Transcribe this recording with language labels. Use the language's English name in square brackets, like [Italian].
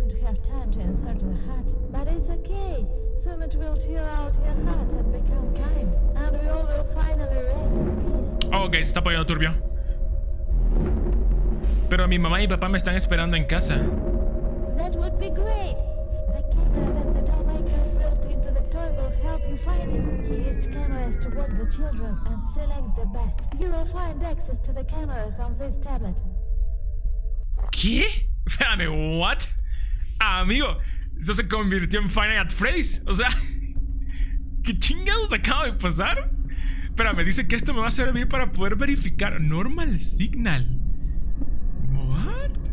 [English] But he didn't have time to insert the heart. But it's okay. Soon it will tear out your heart and become kind. And we all will finally rest in peace. [Spanish] Okay, se está poniendo turbio. Pero mi mamá y papá me están esperando en casa. [English] That would be great. The camera that the doll maker built into the toy will help you find him. He used cameras to watch the children and select the best. You will find access to the cameras on this tablet. [Spanish] ¿Qué? Espérame, ¿what? Amigo, ¿eso se convirtió en Five Nights at Freddy's? O sea, ¿qué chingados acaba de pasar? Espérame, dice que esto me va a servir para poder verificar Normal Signal. ¿What?